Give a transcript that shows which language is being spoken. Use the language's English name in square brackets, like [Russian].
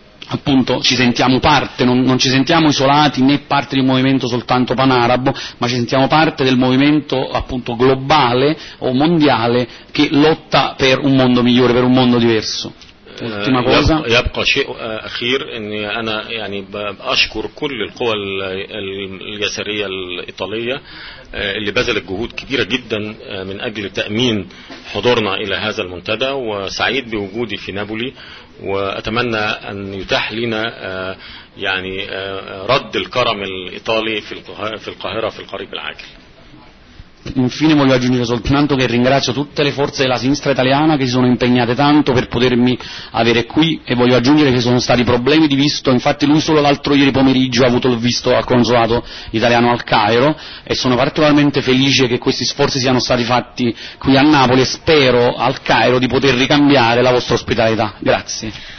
[Italian] appunto ci sentiamo parte, non ci sentiamo isolati né parte di un movimento soltanto panarabo, ma ci sentiamo parte del movimento appunto globale o mondiale che lotta per un mondo migliore, per un mondo diverso. Ultima cosa. [Arabic] يبقى شيء أخير إني أنا يعني أشكر كل القوى اليسارية الإيطالية اللي بذلت جهود كبيرة جدا من أجل تأمين حضورنا إلى هذا المنتدى، وسعيد بوجودي في نابولي، وأتمنى أن يتاح لنا يعني رد الكرم الإيطالي في القاهرة في القريب العاجل. [Italian] Infine voglio aggiungere soltanto che ringrazio tutte le forze della sinistra italiana che si sono impegnate tanto per potermi avere qui, e voglio aggiungere che sono stati problemi di visto, infatti lui solo l'altro ieri pomeriggio ha avuto il visto al consolato italiano al Cairo, e sono particolarmente felice che questi sforzi siano stati fatti qui a Napoli, e spero al Cairo di poter ricambiare la vostra ospitalità. Grazie.